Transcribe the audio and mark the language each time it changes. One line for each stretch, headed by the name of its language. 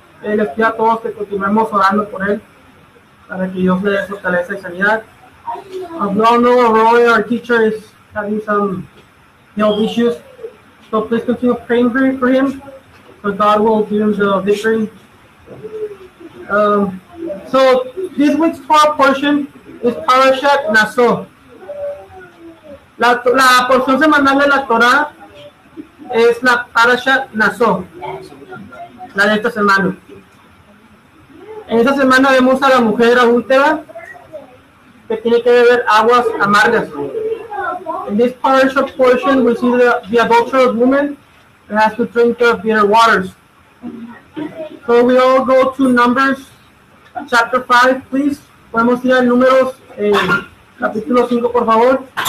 Spanish: Les pido a todos que continuemos orando por él para que Dios le dé fortaleza y sanidad.
English: Our teacher is having some health issues, so please continue praying for him, so God will give him the victory. So this week's Torah portion is Parashat Naso.
Spanish: La porción semanal de la Torah es la Parashat Naso, la de esta semana. En esta semana vemos a la mujer adúltera que tiene que beber aguas amargas.
English: In this partial portion, we see the adulterous woman that has to drink the bitter waters. So we all go to Numbers chapter 5, please.
Spanish: Podemos ir a Números, capítulo 5, por favor.